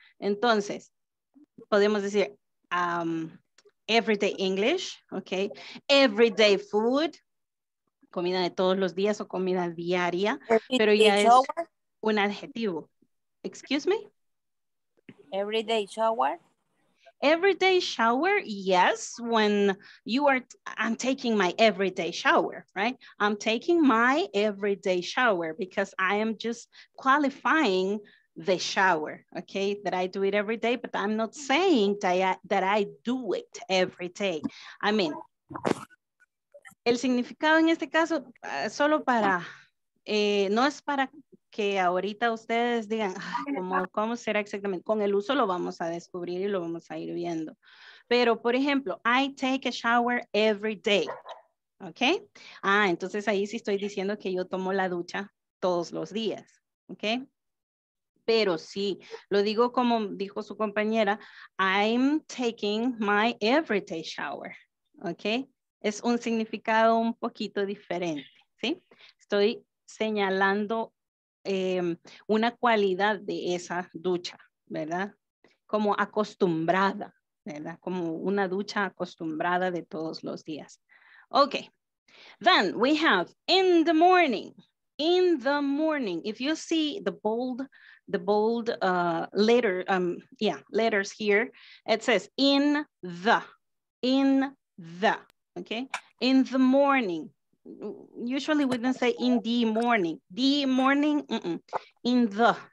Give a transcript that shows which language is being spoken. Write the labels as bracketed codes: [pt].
[es] Entonces, podemos decir [en] everyday English, [es] okay? [en] Everyday food, [es] comida de todos los días o comida diaria, pero ya es un adjetivo. [en] Excuse me? Everyday shower? Everyday shower, yes, when you are, I'm taking my everyday shower, right? I'm taking my everyday shower because I am just qualifying the shower, okay? That I do it every day, but I'm not saying that I do it every day. I mean, [es] el significado en este caso, solo para, no es para que ahorita ustedes digan, ¿cómo será exactamente? Con el uso lo vamos a descubrir y lo vamos a ir viendo. Pero, por ejemplo, [en] I take a shower every day, [es] okay? Ah, entonces ahí sí estoy diciendo que yo tomo la ducha todos los días, okay? Pero sí, lo digo como dijo su compañera, [en] I'm taking my everyday shower, [es] okay? Es un significado un poquito diferente, ¿sí? Estoy señalando una cualidad de esa ducha, ¿verdad? Como acostumbrada, ¿verdad? Como una ducha acostumbrada de todos los días. [en] Okay, then we have in the morning. In the morning, if you see the bold letter, letters here, it says in the, okay? In the morning, usually we don't say in the morning, mm-mm.